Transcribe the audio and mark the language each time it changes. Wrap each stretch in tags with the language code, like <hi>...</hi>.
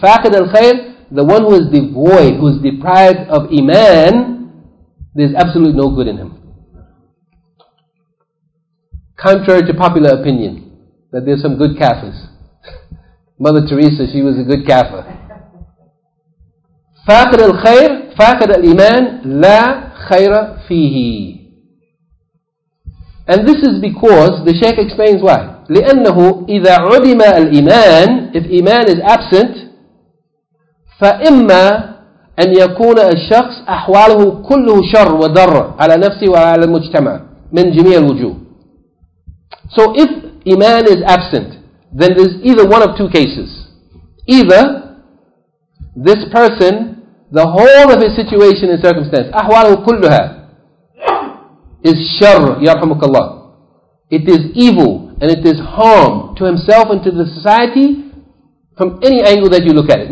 <en>Faqid al-khayr, the one who is devoid, who is deprived of iman, there's absolutely no good in him. Contrary to popular opinion, that there's some good kafirs. Mother Teresa, she was a good kafir.</en> <ar>فاقد الخير فاقد الإيمان لا خير فيه.</ar> <en>And this is because the Shaykh explains why.</en> <ar>لأنه إذا عدم الإيمان,</ar> <en>if iman is absent,</en> <ar>فإما أن يكون الشخص أحواله كله شر وضر على نفسه وعلى المجتمع من جميع الوجوه.</ar> <en>So if iman is absent, then there's either one of two cases. Either this person, the whole of his situation and circumstance,</en> <ar>أحواله كلها,</ar> <en>is</en> <ar>شر يرحمك الله.</ar> <en>It is evil and it is harm to himself and to the society from any angle that you look at it.</en>